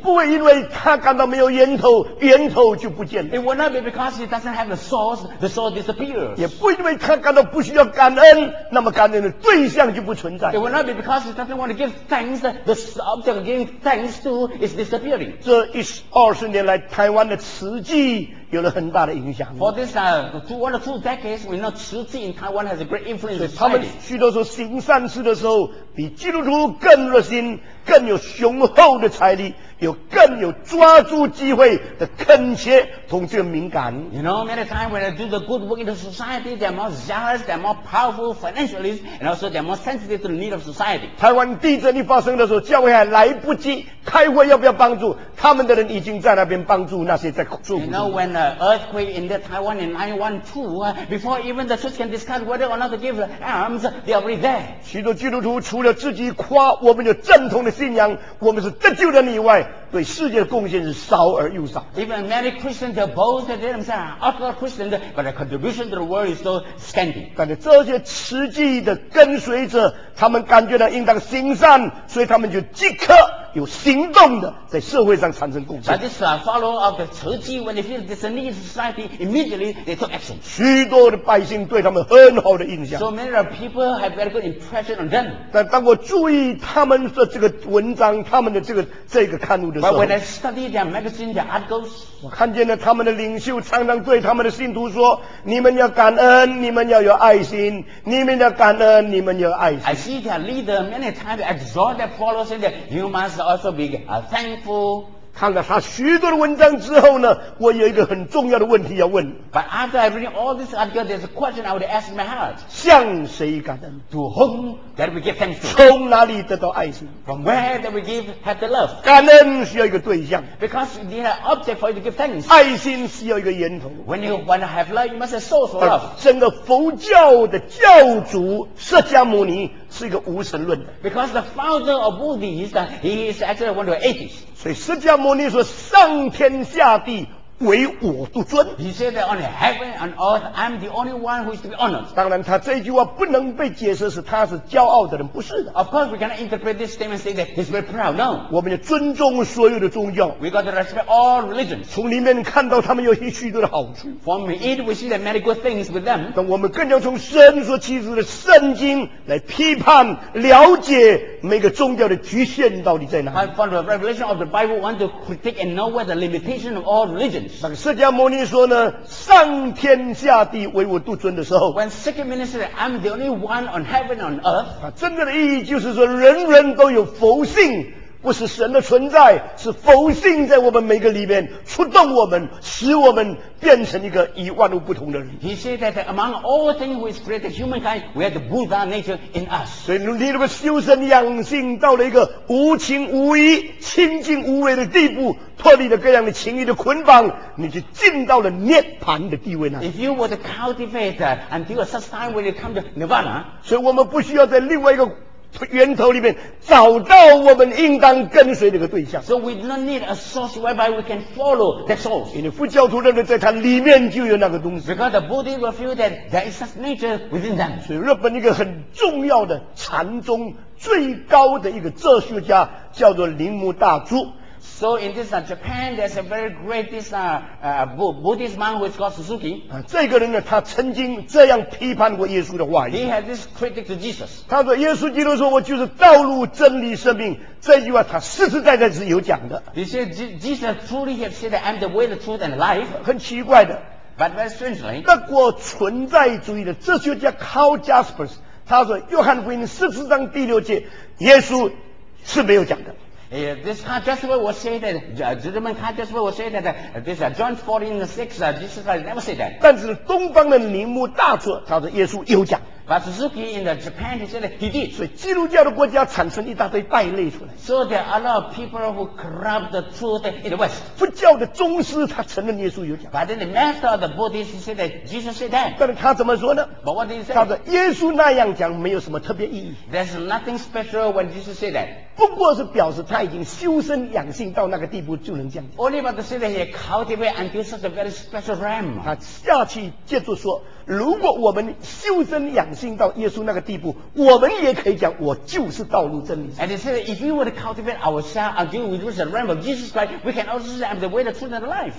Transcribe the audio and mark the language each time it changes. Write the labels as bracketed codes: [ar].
[zh] 不会因为他感到没有源头，源头就不见了。 [en] It will not be because he doesn't have the source disappears. [zh] 也不因为他感到不需要感恩，那么感恩的对象就不存在。 [en] It will not be because he doesn't want to give thanks, the object of giving thanks to is disappearing. [zh] 这20年来台湾的慈济有了很大的影响。 [en] For this two decades, we know 慈济 in Taiwan has a great influence. [zh] 他们许多时候行善事的时候，比基督徒更热心，更有雄厚的财力，有更有抓住机会的恳切同这个敏感。 [en] You know, many times when they do the good work in the society, they are more zealous, they are more powerful financially, and also they are more sensitive to the need of society. [zh] 台湾地震一发生的时候，教会还来不及开会要不要帮助，他们的人已经在那边帮助那些在受苦的。 [en] You know, when the earthquake in the Taiwan in 1912, before even the church can discuss whether or not to give alms, they are already there. [zh] 许多基督徒除了自己夸我们有正统的信仰，我们是得救的人以外，对世界的贡献是少而又少。 [en] Even many Christians boast that they are ultra Christians, but their contribution to the world is so scanty. [zh] 但是这些慈济的跟随者，他们感觉到应当行善，所以他们就即刻有行动的在社会上产生贡献。 [en] But this follow of the 慈济 when they feel there's a need in society, immediately they took action. [zh] 许多的百姓对他们很好的印象。 [en] So many of people have very good impression on them. [zh] 但当我注意他们的这个文章，他们的这个刊物的时候 [en] ，But when I study their magazine, their articles, [zh] 我看见了他们的领袖常常对他们的信徒说：“你们要感恩，你们要有爱心，你们要感恩，你们要爱心。” [en] I see their leader many times exhort their followers that you must also be thankful. [zh] 看了他许多的文章之后呢，我有一个很重要的问题要问。 [en] But after I read all these articles, there's a question I would ask in my heart. [zh] 向谁感恩 [en] ？To whom that we give thanks to? [zh] 从哪里得到爱心 [en] ？From where that we give had the love? [zh] 感恩需要一个对象。 [en] Because you need an object for you to give thanks. [zh] 爱心需要一个源头。 [en] When you want to have love, you must have source for love. [zh] 整个佛教的教主释迦牟尼是一个无神论的。 [en] Because the founder of Buddhism, he is actually one of the atheists. [zh] 所以释迦牟尼说：“上天下地。” 唯我独尊。 [en] He said that on heaven and earth, I'm the only one who is to be honored. 当然，他这句话不能被解释是他是骄傲的人，不是的。 Of course, we cannot interpret this statement saying that he's very proud. No. [zh] 我们要尊重所有的宗教。 [en] We got to respect all religions. [zh] 从里面看到他们有许多的好处。 [en] From it, we see that many good things with them. [zh] 但我们更要从神所启示的圣经来批判、了解每个宗教的局限到底在哪里。 [en] I found the revelation of the Bible want to critique and know where the limitation of all religions. [zh] 那个释迦牟尼说呢，上天下地唯我独尊的时候 [en] ，When second minister, I'm the only one on heaven on earth。 [zh] 啊，真正的意义就是说，人人都有佛性，不是神的存在，是佛性在我们每个里面触动我们，使我们变成一个以万物不同的人。 [en] He said that among all things which created humankind, we have the Buddha nature in us。 [zh] 所以你如果修身养性到了一个无情无义、清净无为的地步。脱离了各样的情欲的捆绑，你就进到了涅槃的地位呢。 [en] If you were to cultivate until such time when you come to Nirvana, [zh] 所以我们不需要在另外一个源头里面找到我们应当跟随那个对象。 [en] So we don't need a source whereby we can follow that source. [zh] 因为佛教徒认为在它里面就有那个东西。 [en] Because the Buddha will feel that there is such nature within them. [zh] 所以日本一个很重要的禅宗最高的一个哲学家叫做铃木大珠。 [en] So in this Japan, there's a very great this Buddhist man who is called Suzuki. [zh] 啊，这个人呢，他曾经这样批判过耶稣的话语。 [en] He had this critic to Jesus. [zh] 他说，耶稣基督说，我就是道路、真理、生命。这句话他实实在在是有讲的。 [en] He said Jesus truly have said that I'm the way, the truth, and the life. [zh] 很奇怪的。 [en] But very strangely, [zh] 德国存在主义的哲学家 Karl Jaspers， 他说，约翰福音十四章第六节，耶稣是没有讲的。 [en] This Karl Jaspers will say that, gentleman Karl Jaspers will say that, this John 14:6, Jesus Christ never said that. [zh] 但是东方的铃木大佐，他说耶稣有讲。 [en] But Suzuki in the Japan, he said that he did. [zh] 所以基督教的国家产生一大堆败类出来。 [en] So there are a lot of people who corrupt the truth in the West. [zh] 佛教的宗师他承认耶稣有讲。 [en] But then the master of the Buddhists, he said that Jesus said that. [zh] 但是他怎么说呢 [en] ？But what did he say? [zh] 他说耶稣那样讲没有什么特别意义。 [en] There's nothing special when Jesus said that. [zh] 不过是表示他已经修身养性到那个地步就能这样讲。 [en] Only about the city he cultivated until such a very special realm. [zh] 他下去接着说，如果我们修身养性到耶稣那个地步，我们也可以讲我就是道路真理。 [en] And he said if we were to cultivate ourselves until we reach the realm of Jesus Christ, we can also say I'm the way, the truth, and the life.